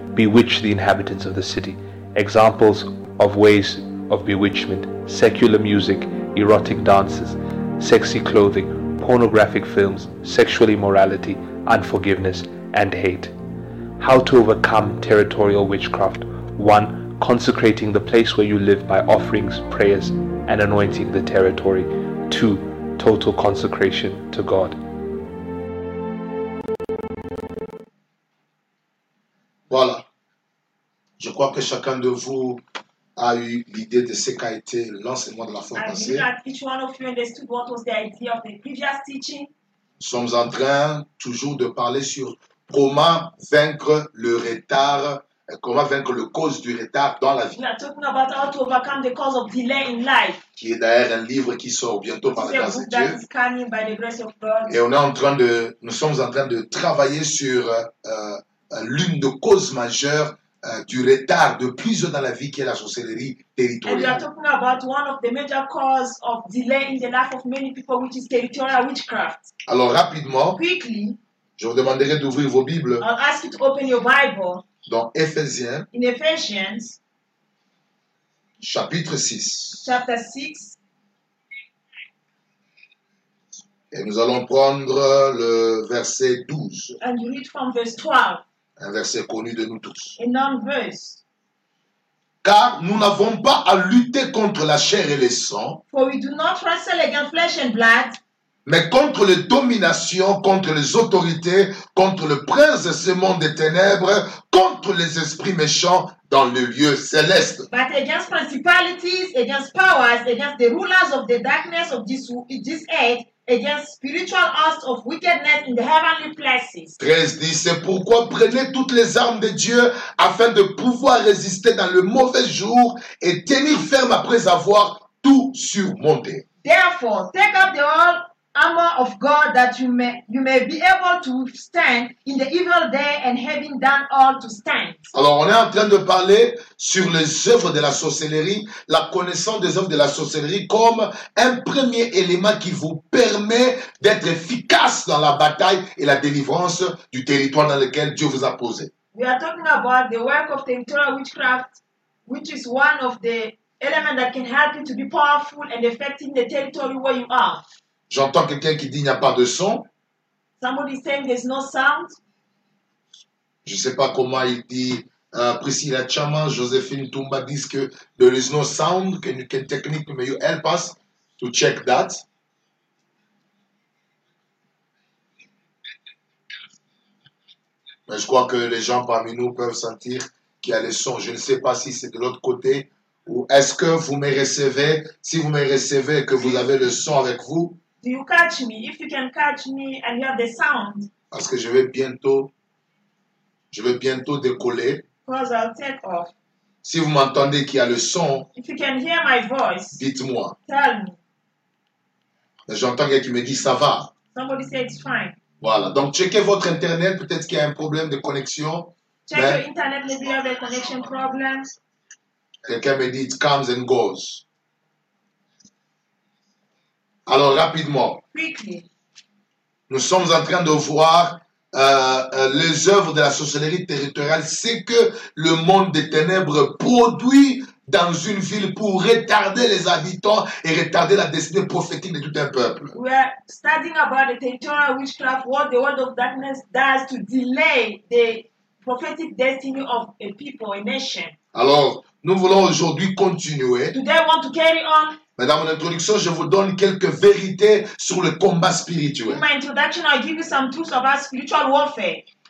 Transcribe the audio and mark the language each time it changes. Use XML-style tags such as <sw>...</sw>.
<en>Bewitch the inhabitants of the city. Examples of ways of bewitchment: secular music, erotic dances, sexy clothing, pornographic films, sexual immorality, unforgiveness, and hate. How to overcome territorial witchcraft. 1. Consecrating the place where you live by offerings, prayers, and anointing the territory. 2. Total consecration to God.</en> <fr>Voilà, je crois que chacun de vous a eu l'idée de ce qu'a été l'enseignement de la fois passée.</fr> <en>I believe that each one of you understood what was the idea of the previous teaching.</en> <fr>Nous sommes en train toujours de parler sur comment vaincre le retard, comment vaincre le cause du retard dans la vie.</fr> <en>We are talking about how to overcome the cause of delay in life.</en> <fr>Qui est d'ailleurs un livre qui sort bientôt par la grâce de Dieu.</fr> <en>That is coming by the grace of God.</en> <fr>Et on est en train de, nous sommes en train de travailler sur l'une des causes majeures du retard de prison dans la vie qui est la sorcellerie territoriale.</fr> <en>And we are talking about one of the major causes of delay in the life of many people, which is territorial witchcraft.</en> <fr>Alors rapidement,</fr> <en>quickly,</en> <fr>je vous demanderai d'ouvrir vos Bibles.</fr> <en>I'll ask you to open your Bible.</en> <fr>Dans Ephésiens.</fr> <en>In Ephesians.</en> <fr>Chapitre 6.</fr> <en>Chapter 6.</en> <fr>Et nous allons prendre le verset 12.</fr> <en>And you read from verse 12.</en> <fr>Un verset connu de nous tous.</fr> <en>A known verse.</en> <fr>Car nous n'avons pas à lutter contre la chair et le sang.</fr> <en>For we do not wrestle against flesh and blood.</en> <fr>Mais contre les dominations, contre les autorités, contre le prince de ce monde des ténèbres, contre les esprits méchants dans le lieu céleste.</fr> <en>But against principalities, against powers, against the rulers of the darkness of this age. Against spiritual hosts of wickedness in the heavenly places.</en> <fr>13 dit, c'est pourquoi prenez toutes les armes de Dieu afin de pouvoir résister dans le mauvais jour et tenir ferme après avoir tout surmonté.</fr> <en>Therefore, take up the whole armor of God that you may be able to stand in the evil day and having done all to stand.</en> <fr>Alors, on est en train de parler sur les œuvres de la sorcellerie, la connaissance des œuvres de la sorcellerie comme un premier élément qui vous permet d'être efficace dans la bataille et la délivrance du territoire dans lequel Dieu vous a posé.</fr> <en>We are talking about the work of territorial witchcraft which is one of the elements that can help you to be powerful and affecting the territory where you are.</en> <fr>J'entends quelqu'un qui dit il n'y a pas de son.</fr> <en>Somebody saying there's no sound.</en> <fr>Je ne sais pas comment il dit.</fr> <en>Priscilla Chama, Josephine Tumba</en> <fr>disent que</fr> <en>there is no sound. Can you can technique, may you help us to check that?</en> <fr>Mais je crois que les gens parmi nous peuvent sentir qu'il y a les sons. Je ne sais pas si c'est de l'autre côté ou est-ce que vous me recevez. Si vous me recevez et que vous avez le son avec vous.</fr> <en>Do you catch me? If you can catch me and you have the sound.</en> <fr>Parce que je vais bientôt décoller.</fr> <en>Because I'll take off.</en> <fr>Si vous m'entendez qu'il y a le son.</fr> <en>If you can hear my voice.</en> <fr>Dites-moi.</fr> <en>Tell me.</en> <fr>Mais j'entends quelqu'un qui me dit ça va.</fr> <en>Somebody said it's fine.</en> <fr>Voilà, donc checkez votre internet, peut-être qu'il y a un problème de connexion.</fr> <en>Check your internet, maybe you have a connection problem.</en> <fr>Quelqu'un me dit,</fr> <en>it comes and goes.</en> <fr>Alors, rapidement.</fr> <en>Quickly.</en> <fr>Nous sommes en train de voir les œuvres de la sorcellerie territoriale. C'est que le monde des ténèbres produit dans une ville pour retarder les habitants et retarder la destinée prophétique de tout un peuple.</fr> <en>We are studying about the territorial witchcraft, what the world of darkness does to delay the prophetic destiny of a people, a nation.</en> <fr>Alors, nous voulons aujourd'hui continuer.</fr> <en>Today I want to carry on.</en> <fr>Mais dans mon introduction, je vous donne quelques vérités sur le combat spirituel.</fr> <en>In my introduction, I give you some truths about spiritual warfare.</en>